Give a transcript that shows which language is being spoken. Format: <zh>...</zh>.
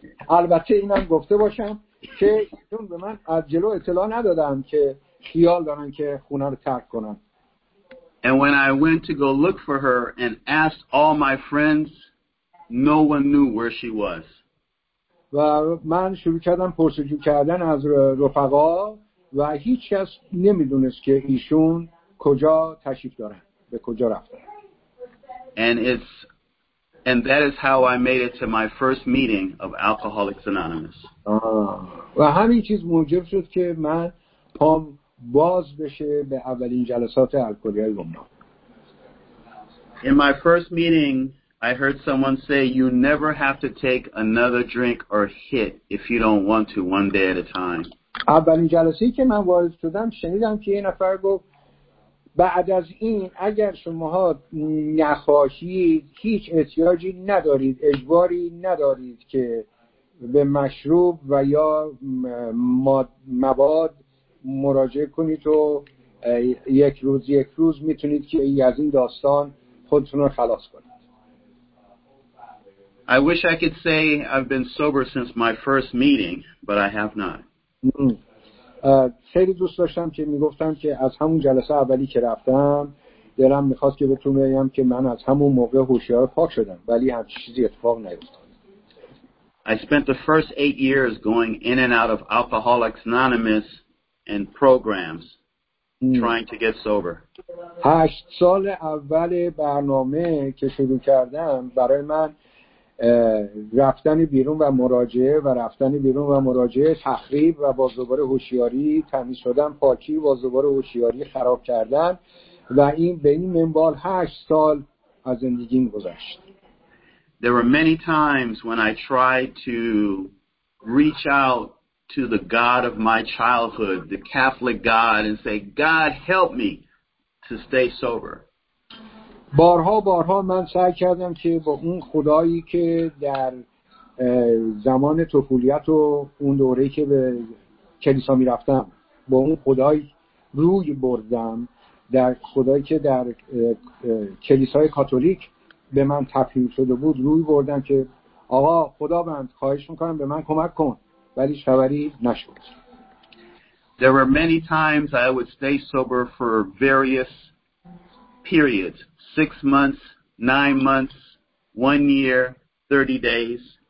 <fa>البته اینم گفته باشم که چون به من از جلو اطلاع ندادم که خیال دارن که خونه رو ترک کنن.</fa> <en>And when I went to go look for her and asked all my friends, no one knew where she was.</en> <fa>و من شروع کردم پرسجو کردن از رفقا و هیچ کس نمیدونست که ایشون کجا تشریف دارن، به کجا رفتن.</fa> <en>And that is how I made it to my first meeting of Alcoholics Anonymous.</en> <fa>و همین چیز موجب شد که من پام باز بشه به اولین جلسات الکلی‌های گمنام.</fa> <en>In my first meeting, I heard someone say, you never have to take another drink or hit if you don't want to one day at a time.</en> <fa>اولین جلسه‌ای که من وارد شدم شنیدم که یه نفر گفت بعد از این اگر شماها نخواهید هیچ احتیاجی ندارید، اجباری ندارید که به مشروب و یا مواد مراجعه کنید و یک روز میتونید که از این داستان خودتون رو خلاص کنید.</fa> <en>I wish I could say I've been sober since my first meeting, but I have not.</en> <fa>خیلی دوست داشتم که میگفتم که از همون جلسه اولی که رفتم دلم میخواست که بهتون بگم که من از همون موقع هوشیار پاک شدم، ولی همچین چیزی اتفاق نیفتاد.</fa> <en>I spent the first 8 years going in and out of Alcoholics Anonymous and programs trying to get sober.</en> <fa>8 سال اول برنامه که شروع کردم برای من رفتن بیرون و مراجعه و رفتن بیرون و مراجعه تخریب و باز دوباره هوشیاری تمیز شدن، پاکی باز دوباره هوشیاری خراب کردن و این به این منوال 8 سال از زندگیم گذشت.</fa> <en>There were many times when I tried to reach out to the God of my childhood, the Catholic God, and say, God help me to stay sober.</en> <fa>بارها من سعی کردم که با اون خدایی که در زمان طفولیت و اون دوره‌ای که به کلیسا می رفتم با اون خدای روی بردم، در خدایی که در کلیسای کاتولیک به من تفهیم شده بود روی بردم که آقا خدا بند خواهش میکنم به من کمک کن. ولی خبری نشد.</fa> <en>There were many times I would stay sober for various periods, 6 months, 9 months, 1 year, 30 days.</en>